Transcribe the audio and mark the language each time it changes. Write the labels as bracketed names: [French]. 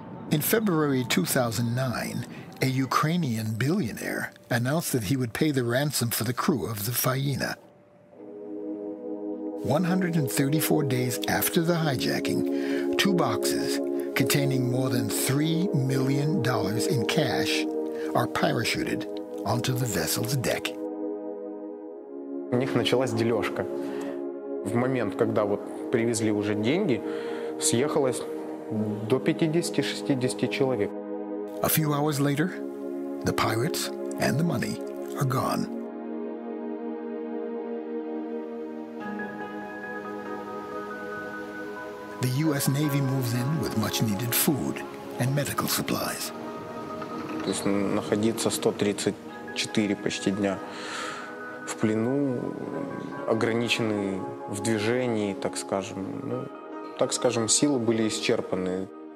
[English] In February 2009, a Ukrainian billionaire announced that he would pay the ransom for the crew of the Faina. 134 days after the hijacking, two boxes containing more than $3 million in cash are parachuted onto the vessel's deck. [Russian] У них началась дележка. В момент, когда вот привезли уже деньги, съехалось до 50-60 человек. [English] A few hours later, the pirates and the money are gone. The U.S. Navy moves in with much-needed food and medical supplies. [Russian] То есть находиться 134 почти дня в плену, ограничены в движении, так скажем. Так скажем, силы были исчерпаны.